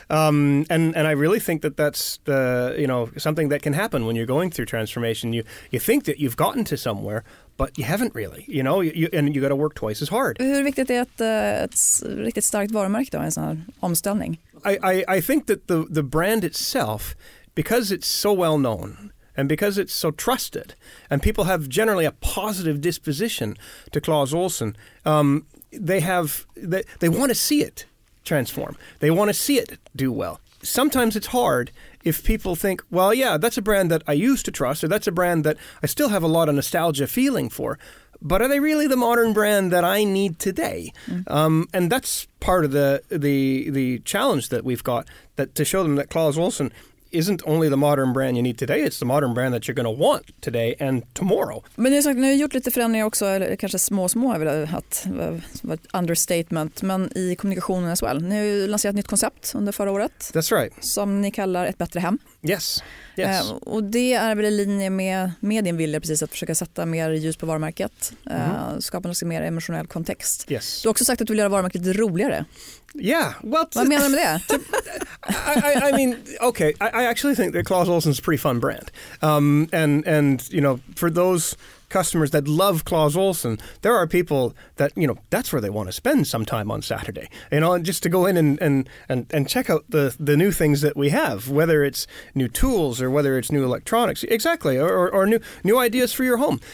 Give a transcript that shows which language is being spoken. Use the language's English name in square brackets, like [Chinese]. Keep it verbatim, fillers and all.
[English] Um, and, and I really think that that's the, you know, something that can happen when you're going through transformation. You, you think that you've gotten to somewhere, but you haven't really, you know, you, and you got to work twice as hard. [Swedish] Hur viktigt är ett, ett riktigt starkt varumärke då, en sån här omställning? [English] I, I, I think that the, the brand itself... Because it's so well known and because it's so trusted and people have generally a positive disposition to Clas Ohlson, um, they have they, they want to see it transform. They want to see it do well. Sometimes it's hard if people think, well, yeah, that's a brand that I used to trust or that's a brand that I still have a lot of nostalgia feeling for. But are they really the modern brand that I need today? Mm. Um, and that's part of the, the, the challenge that we've got, that to show them that Clas Ohlson isn't only the modern brand you need today, it's the modern brand that you're going to want today and tomorrow. [Swedish] Men ni har sagt, ni har gjort lite förändringar också, eller kanske små, små, att vara ett understatement, men i kommunikationen [English] as well. [Swedish] Ni har ju lanserat ett nytt koncept under förra året. [English] That's right. [Swedish] Som ni kallar ett bättre hem. [English] Yes. Yes. [Swedish] Eh, och det är väl i linje med, med din vilja precis att försöka sätta mer ljus på varumärket, mm-hmm. eh, skapa något mer emotionell kontext. [English] Yes. [Swedish] Du har också sagt att du vill göra varumärket lite roligare. [English] Yeah, well, [Swedish] Vad menar du med det? [English] I, I, I mean, okay, I, I actually think that Clas Ohlson's a pretty fun brand. Um, and, and, you know, for those customers that love Clas Ohlson, there are people that, you know, that's where they want to spend some time on Saturday, you know, and just to go in and, and, and, and check out the, the new things that we have, whether it's new tools or whether it's new electronics, exactly, or, or, or new new ideas for your home.